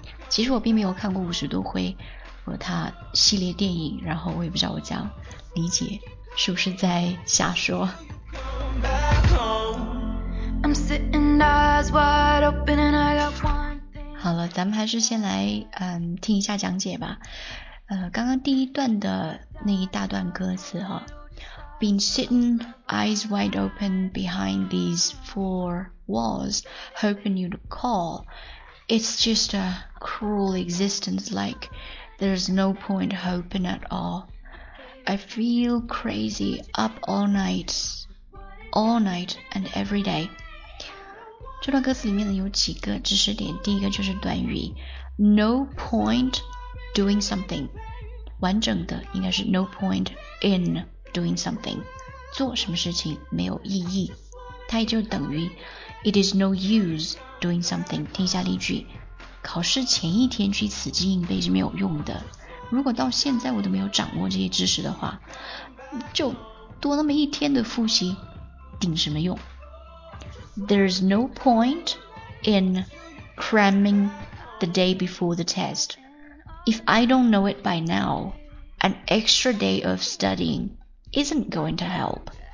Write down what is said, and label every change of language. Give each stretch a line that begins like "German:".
Chinese: 其实我并没有看过五十度灰和他系列电影，然后我也不知道我这样理解是不是在瞎说。好了，咱们还是先来听一下讲解吧。刚刚第一段的那一大段歌词哈
English: ，Been sitting eyes wide open behind these four walls, hoping you'd call. It's just a cruel existence, like there's no point hoping at all. I feel crazy up all night and every day.
Chinese: 这段歌词里面有几个知识点，第一个就是短语
English: no point doing something.
Chinese: 完整的应该是
English: no point in doing something.
Chinese: 做什么事情没有意义，它也就等于
English: It is no use doing something.
Chinese: 听一下例句，考试前一天去死记硬背是没有用的。如果到现在我都没有掌握这些知识的话，就多那么一天的复习，顶什么用？
English: There is no point in cramming the day before the test. If I don't know it by now, an extra day of studying isn't going to help.